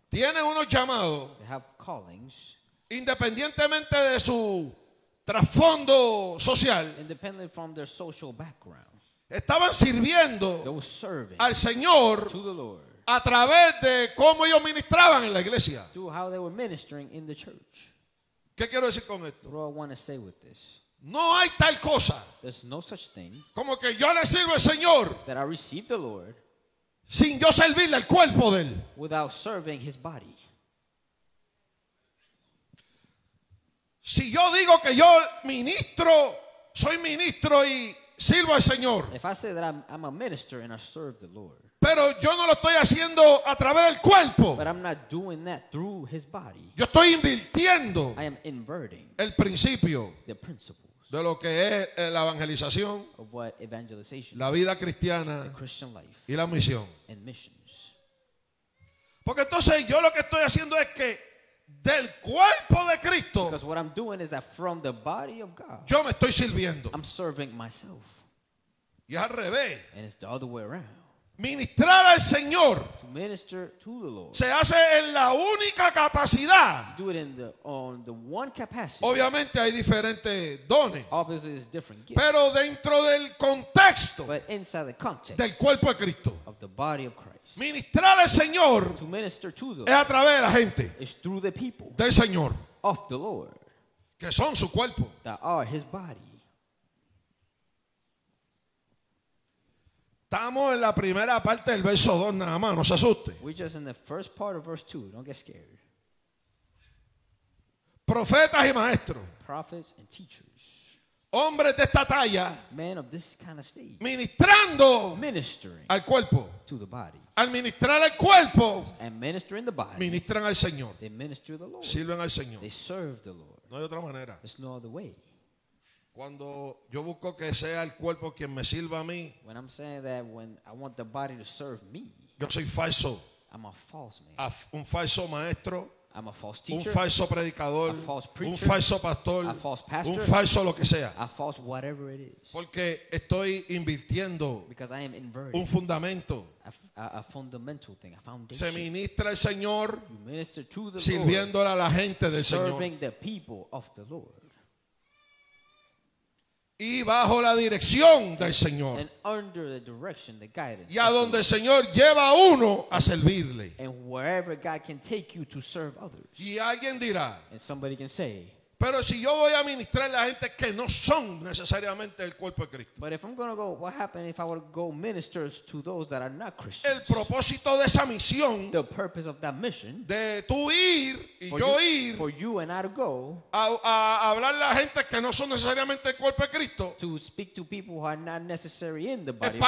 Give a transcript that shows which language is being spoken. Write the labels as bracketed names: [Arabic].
[Spanish] tienen unos llamados, [English] they have callings, [Spanish] independientemente de su trasfondo social, [English] independent from their social background, [Spanish] estaban sirviendo, [English] they were serving [Spanish] al Señor, [English] to the Lord, [Spanish] a través de cómo ellos ministraban en la iglesia. [English] Through how they were ministering in the church. [Spanish] ¿Qué quiero decir con esto? [English] What I want to say with this. [Spanish] No hay tal cosa. [English] There's no such thing. [Spanish] Como que yo le sirvo al Señor. [English] That I receive the Lord. [Spanish] Sin yo servirle al cuerpo de él. [English] Without serving his body. [Spanish] Si yo digo que yo ministro, soy ministro y sirvo al Señor. [English] If I say that I'm a minister and I serve the Lord. [Spanish] Pero yo no lo estoy haciendo a través del cuerpo. [English] But I'm not doing that through his body. [Spanish] Yo estoy invirtiendo, [English] I am inverting, [Spanish] el principio, [English] the principles, [Spanish] de lo que es la evangelización, [English] of what evangelization, [Spanish] la vida cristiana, [English] the Christian life, [Spanish] y la misión. [English] And missions. [Spanish] Porque entonces yo lo que estoy haciendo es que del cuerpo de Cristo, [English] because what I'm doing is that from the body of God, [Spanish] yo me estoy sirviendo. [English] I'm serving myself. [Spanish] Y al revés. [English] And it's the other way around. [Spanish] Ministrar al Señor, [English] to minister to the Lord, [Spanish] se hace en la única capacidad. [English] Do it in the, on the one capacity. [Spanish] Obviamente hay diferentes dones. [English] Obviously there's different gifts. [Spanish] Pero dentro del contexto, [English] but inside the context, [Spanish] del cuerpo de Cristo, [English] of the body of Christ, [Spanish] ministrar al Señor, [English] to minister to the Lord, [Spanish] es a través de la gente, [English] is through the people, [Spanish] del Señor, [English] of the Lord, [Spanish] que son su cuerpo, [English] that are his body. [Spanish] Estamos en la primera parte del verso 2 nada más, no se asuste. [English] We're just in the first part of verse 2, don't get scared. [Spanish] Profetas y maestros. [English] Prophets and teachers. [Spanish] Hombres de esta talla. [English] Men of this kind of stage. [Spanish] Ministrando. [English] Ministering. [Spanish] Al cuerpo. [English] To the body. [Spanish] Al ministrar al cuerpo. [English] And ministering the body. [Spanish] Ministran al Señor. [English] They minister the Lord. [Spanish] Sirven al Señor. [English] They serve the Lord. [Spanish] No hay otra manera. [English] There's no other way. [Spanish] Cuando yo busco que sea el cuerpo quien me sirva a mí, [English] when I'm saying that when I want the body to serve me, [Spanish] yo soy falso, [English] I'm a false man, [Spanish] un falso maestro, [English] I'm a false teacher, [Spanish] un falso predicador, [English] a false preacher, [Spanish] un falso pastor, [English] a false pastor, [Spanish] un falso lo que sea, [English] a false whatever it is. [Spanish] Porque estoy invirtiendo un fundamento. [English] A fundamental thing, a foundation. [Spanish] Se ministra el Señor sirviéndole a la gente del [English] serving The people of the Lord. [Spanish] Y bajo la dirección del Señor. [English] And under the direction, the guidance. [Spanish] Y a donde el Señor lleva a uno a servirle. [English] And wherever God can take you to serve others. [Spanish] Y alguien dirá. [English] And somebody can say. [Spanish] Pero si yo voy a ministrar a la gente que no son necesariamente el cuerpo de Cristo. [English] But if I'm going to go, what happened if I would go ministers to those that are not Christians? [Spanish] El propósito de esa misión. [English] The purpose of that mission. [Spanish] De tú ir y yo ir. [English] For you and I to go. [Spanish] A hablar a la gente que no son necesariamente el cuerpo de Cristo. [English] To speak to people who are not necessary in the body of Christ.